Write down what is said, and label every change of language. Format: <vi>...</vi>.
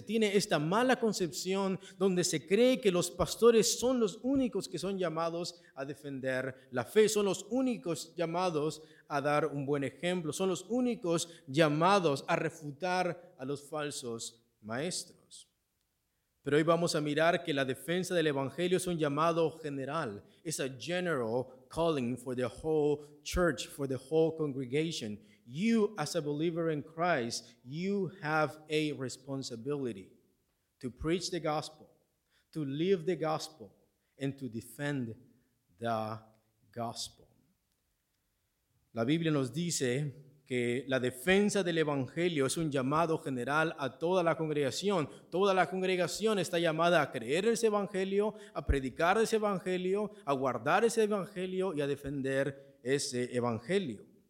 <es>Se tiene esta mala concepción donde se cree que los pastores son los únicos que son llamados a defender la fe, son los únicos llamados a dar un buen ejemplo, son los únicos llamados a refutar a los falsos maestros. Pero hoy vamos a mirar que la defensa del evangelio es un llamado general.</es> <en>It's a general calling for the whole church, for the whole congregation. You, as a believer in Christ, you have a responsibility to preach the gospel, to live the gospel, and to defend the gospel.</en> <es>La Biblia nos dice que la defensa del evangelio es un llamado general a toda la congregación. Toda la congregación está llamada a creer ese evangelio, a predicar ese evangelio, a guardar ese evangelio y a defender ese evangelio.</es>